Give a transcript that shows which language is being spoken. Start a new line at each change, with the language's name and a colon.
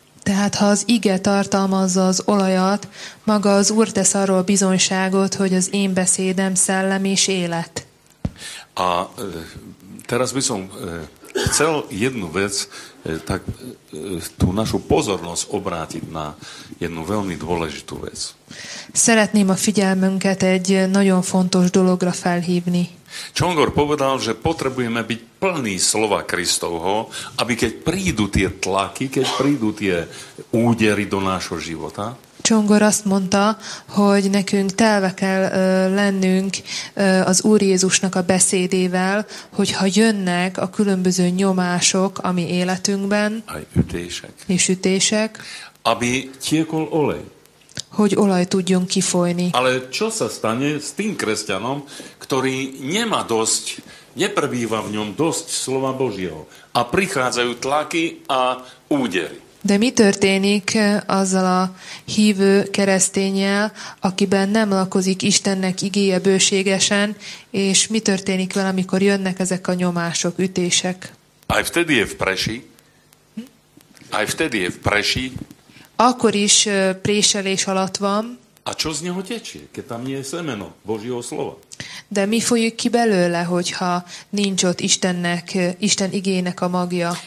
Hungarian: Tehát ha az ige tartalmazza az olajat, maga az Úr tesz arról bizonyságot, hogy az én beszédem szellem és élet.
Slovak: A teraz by som chcel jednu vec, tak tú našu pozornosť obrátiť na jednu veľmi dôležitú vec.
Hungarian: Szeretném a figyelmünket egy nagyon fontos dologra felhívni.
Slovak: Csongor povedal, že potrebujeme byť plný slova Kristovho, aby keď prídu tie tlaky, keď prídu tie údery do nášho života.
Hungarian: Csongor azt mondta, hogy nekünk telve kell lennünk az Úr Jézusnak a beszédével, hogyha jönnek a különböző nyomások a mi életünkben, ütések,
Slovak: aby tiekol olej.
Hungarian: Hogy olaj tudjon kifolyni.
Slovak: Ale čo sa stane s tým kresťanom, ktorý nemá dosť, neprebýva v ňom dosť slova Božieho a prichádzajú tlaky a údery?
Hungarian: De mi történik azzal a hívő keresztényel, akiben nem lakozik Istennek igéje bőségesen, és mi történik vele, amikor jönnek ezek a nyomások, ütések?
Slovak: Aj vtedy je v Preši.
Hungarian: Akkor is préselés alatt van.
Slovak: A čo z neho tečie, keď tam nie je semeno Božieho slova?
Hungarian: De mi folyik ki belőle, hogyha nincs ott Istennek, Isten igének a magja?